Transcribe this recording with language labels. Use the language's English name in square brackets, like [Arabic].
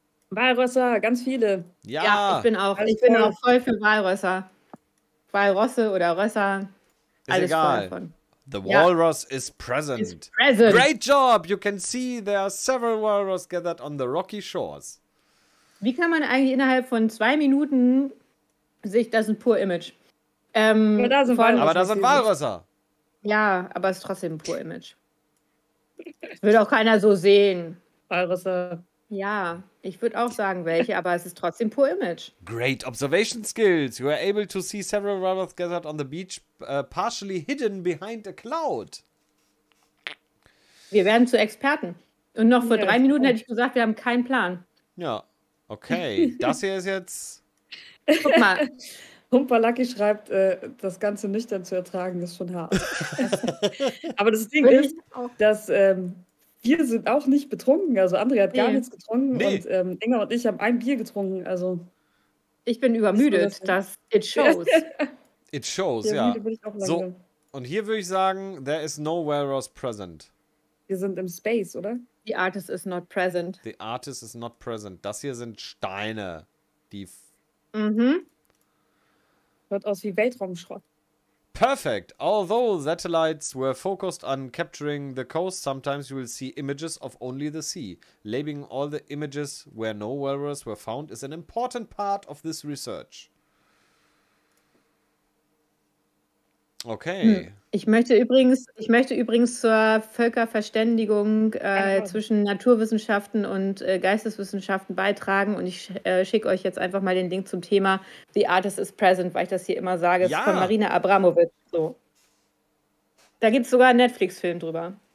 [German] Walrösser, ganz viele. Ja, ja, ich bin auch voll für Walrösser. Walrosse oder Rösser. Alles ist egal. Voll davon. [English] The walrus is present. It's present. Great job. You can see there are several walrus gathered on the rocky shores. [German] Wie kann man eigentlich innerhalb von 2 Minuten sich, das ist ein [English] poor image. [German] Aber da sind Walrösser. Ja, aber es ist trotzdem ein [English] poor image. [German] Würde auch keiner so sehen. Walrösser. Ja, ich würde auch sagen welche, aber es ist trotzdem [English] poor image. Great observation skills. You are able to see several walrus gathered on the beach partially hidden behind a cloud. [German] Wir werden zu Experten. Und noch vor 3 Minuten hätte ich gesagt, wir haben keinen Plan. Ja. Okay, das hier ist jetzt... Guck mal. Humpalucky schreibt, das Ganze nüchtern zu ertragen, ist schon hart. Aber das Ding ist, dass wir sind auch nicht betrunken. Also André hat gar nichts getrunken. Nee. Und Inga und ich haben ein Bier getrunken. Also ich bin übermüdet, dass [English] it shows. It shows, [German] ja. So, und hier würde ich sagen, [English] there is no walrus present. [German] Wir sind im Space, oder? [English] The artist is not present. The artist is not present. [German] Das hier sind Steine. Die. Hört aus wie Weltraumschrott. [English] Perfect. Although satellites were focused on capturing the coast, sometimes you will see images of only the sea. Labeling all the images where no walrus were found is an important part of this research. Okay. [German] Ich möchte übrigens zur Völkerverständigung zwischen Naturwissenschaften und Geisteswissenschaften beitragen. Und ich schicke euch jetzt einfach mal den Link zum Thema The Artist is Present, weil ich das hier immer sage. Ja. Ist von Marina Abramović. So. Da gibt es sogar einen Netflix-Film drüber.